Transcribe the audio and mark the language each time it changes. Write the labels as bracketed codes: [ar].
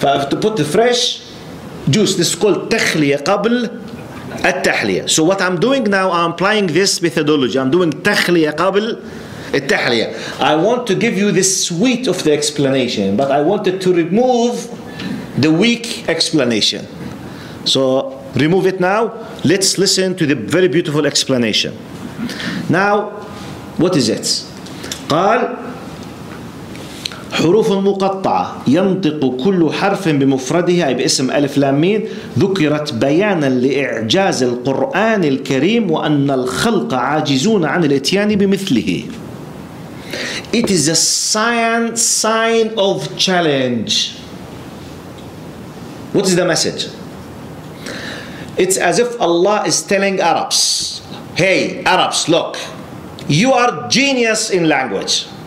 [en] To put the fresh juice, this is called [ar] تخلية قبل التحليه. [en] So what I'm doing now, I'm applying this methodology. I'm doing [ar] تخليه قبل التحليه. [en] I want to give you the sweet of the explanation, but I wanted to remove the weak explanation. So remove it now. Let's listen to the very beautiful explanation. Now, what is it? [ar] قال حروف مقطعة ينطق كل حرف بمفرده أي باسم ألف لام ميم ذكرت بيانا لإعجاز القرآن الكريم وأن الخلق عاجزون عن الاتيان بمثله. [en] It is a sign of challenge. What is the message? It's as if Allah is telling Arabs, hey Arabs, look, you are genius in language.